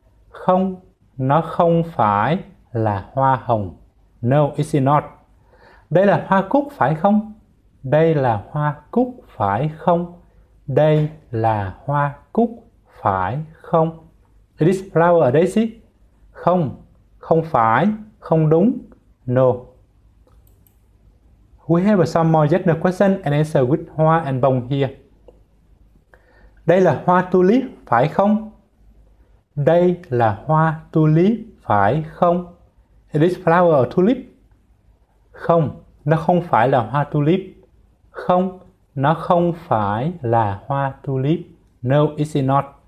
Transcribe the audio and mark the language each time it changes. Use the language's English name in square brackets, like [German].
[Vietnamese] Không, nó không phải là hoa hồng. [English] No, it's not. [Vietnamese] Đây là hoa cúc, phải không? Đây là hoa cúc, phải không? Đây là hoa cúc, phải không? [English] This flower a daisy? [Vietnamese] Không, không phải, không đúng. [English] No. We have some more general question and answer with hoa and bông here. [Vietnamese] Đây là hoa tulip, phải không? Đây là hoa tulip, phải không? [English] Is this flower a tulip? [Vietnamese] Không, nó không phải là hoa tulip. Không, nó không phải là hoa tulip. [English] No, it's not.